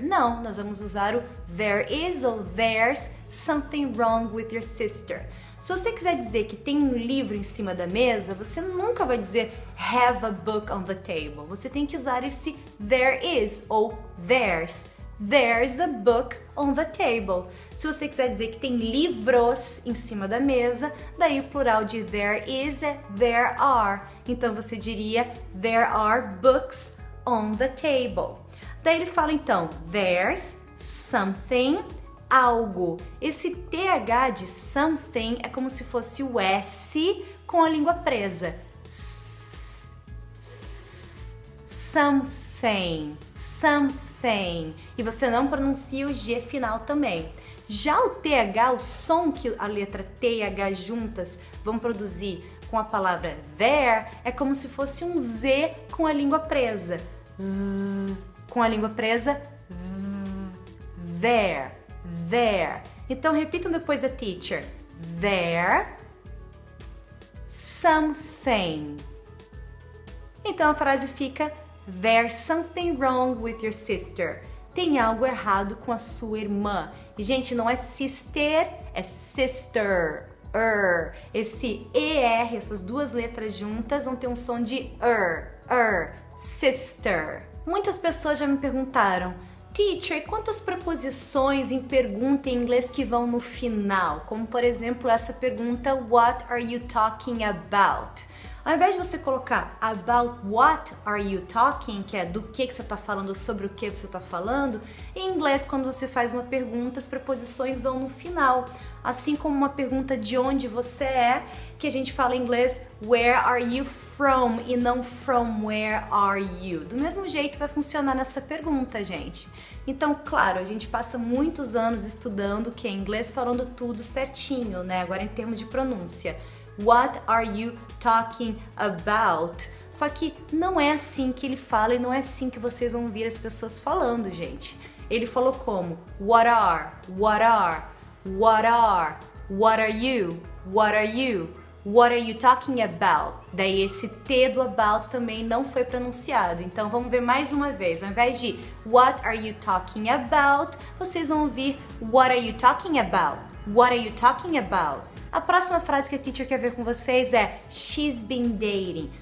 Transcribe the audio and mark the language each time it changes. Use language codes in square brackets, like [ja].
[pt] Não, nós vamos usar o [en] there is ou there's something wrong with your sister. [pt] Se você quiser dizer que tem um livro em cima da mesa, você nunca vai dizer [en] have a book on the table. [pt] Você tem que usar esse there is ou there's. [en] There's a book on the table. [pt] Se você quiser dizer que tem livros em cima da mesa, daí o plural de [en] there is [pt] é [en] there are. [pt] Então você diria [en] there are books on the table. [pt] Daí ele fala então, [en] there's something, [pt] algo. Esse TH de something é como se fosse o S com a língua presa. [en] Something, something. Thing. [pt] E você não pronuncia o G final também. Já o TH, o som que a letra T e H juntas vão produzir com a palavra there, é como se fosse um Z com a língua presa. Z com a língua presa. Z, there, there. Então repitam depois a teacher. There, something. Então a frase fica... [en] There's something wrong with your sister. [pt] Tem algo errado com a sua irmã. E, gente, não é sister, é sister. Esse ER, essas duas letras juntas, vão ter um som de sister. Muitas pessoas já me perguntaram, teacher, quantas preposições em pergunta em inglês que vão no final? Como, por exemplo, essa pergunta, [en] what are you talking about? [pt] Ao invés de você colocar [en] about what are you talking, [pt] que é do que você está falando, sobre o que você está falando, em inglês, quando você faz uma pergunta, as preposições vão no final. Assim como uma pergunta de onde você é, que a gente fala em inglês [en] where are you from [pt] e não [en] from where are you. [pt] Do mesmo jeito vai funcionar nessa pergunta, gente. Então, claro, a gente passa muitos anos estudando que é inglês falando tudo certinho, né? Agora em termos de pronúncia. [en] What are you talking about? [pt] Só que não é assim que ele fala e não é assim que vocês vão ouvir as pessoas falando, gente. Ele falou como? [en] What are? What are? What are? What are you? What are you? What are you talking about? [pt] Daí esse T do about também não foi pronunciado. Então vamos ver mais uma vez. Ao invés de [en] what are you talking about, [pt] vocês vão ouvir [en] what are you talking about? What are you talking about? [pt] A próxima frase que a teacher quer ver com vocês é [en] she's been dating.